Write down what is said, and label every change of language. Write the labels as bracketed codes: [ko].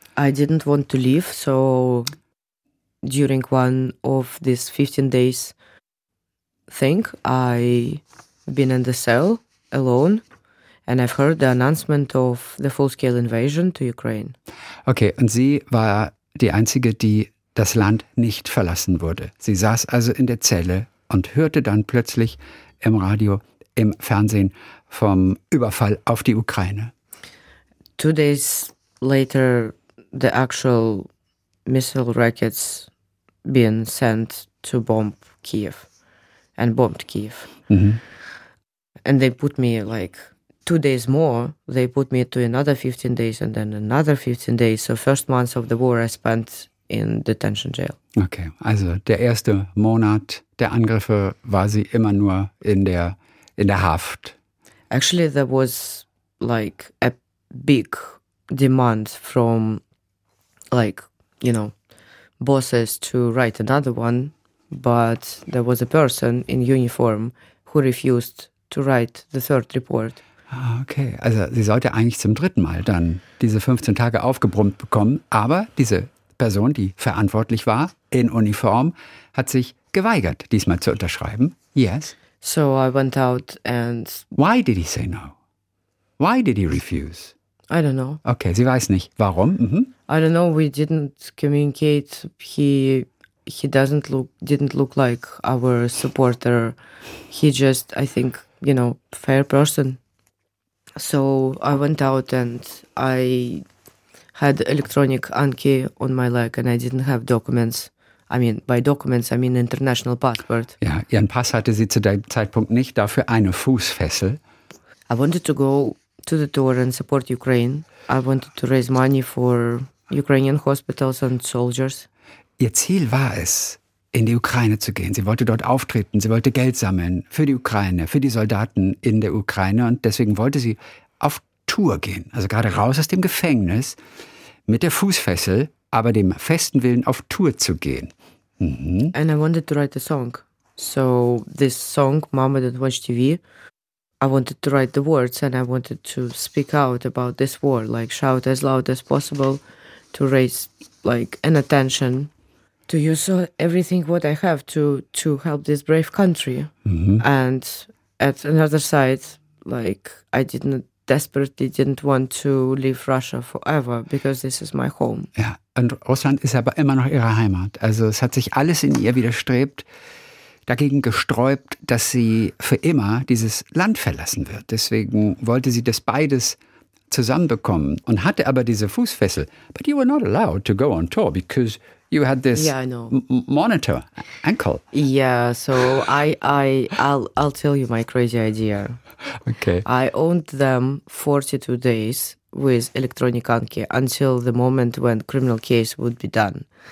[en] I didn't want to leave, so during one of these 15 days thing, I been in the cell alone. And I've heard the announcement of the full-scale invasion to Ukraine. [de] Okay, und sie war die Einzige, die das Land nicht verlassen wurde. Sie saß also in der Zelle und hörte dann plötzlich im Radio, im Fernsehen vom Überfall auf die Ukraine. [en] 2 days later, the actual missile rockets being sent to bomb Kiev and bombed Kiev. Mm-hmm. And they put me like... 2 days more, they put me to another 15 days and then another 15 days. So first month of the war I spent in detention jail. [de] Okay, also der erste Monat der Angriffe war sie immer nur in der Haft. [en] Actually, there was like a big demand from like, you know, bosses to write another one. But there was a person in uniform who refused to write the third report. [de] Okay, also sie sollte eigentlich zum dritten Mal dann diese 15 Tage aufgebrummt bekommen, aber diese Person, die verantwortlich war, in Uniform, hat sich geweigert, diesmal zu unterschreiben. [en] Yes? So I went out and... Why did he say no? Why did he refuse? I don't know. [de] Okay, sie weiß nicht. Warum? [en] Mhm. I don't know, we didn't communicate. He didn't look like our supporter. He just, I think, you know, fair person. So I went out and I had electronic anki on my leg and I didn't have documents. I mean, by documents, I mean international passport. [de] Ja, ihren Pass hatte sie zu dem Zeitpunkt nicht, dafür eine Fußfessel. [en] I wanted to go to the tour and support Ukraine. I wanted to raise money for Ukrainian hospitals and soldiers. [de] Ihr Ziel war es, in die Ukraine zu gehen. Sie wollte dort auftreten, sie wollte Geld sammeln für die Ukraine, für die Soldaten in der Ukraine. Und deswegen wollte sie auf Tour gehen, also gerade raus aus dem Gefängnis, mit der Fußfessel, aber dem festen Willen, auf Tour zu gehen. [en] Mhm. And I wanted to write a song. So this song, Mama Don't Watch TV, I wanted to write the words and I wanted to speak out about this war, like shout as loud as possible to raise like an attention to use everything what I have to help this brave country. Mm-hmm. And at another side, like, I desperately didn't want to leave Russia forever, because this is my home. [de] Ja, und Russland ist aber immer noch ihre Heimat. Also es hat sich alles in ihr widerstrebt, dagegen gesträubt, dass sie für immer dieses Land verlassen wird. Deswegen wollte sie das beides zusammenbekommen und hatte aber diese Fußfessel. [en] But you were not allowed to go on tour, because... You had this monitor, ankle. Yeah, so I'll tell you my crazy idea. Okay. I owned them 42 days with electronic anki until the moment when criminal case would be done.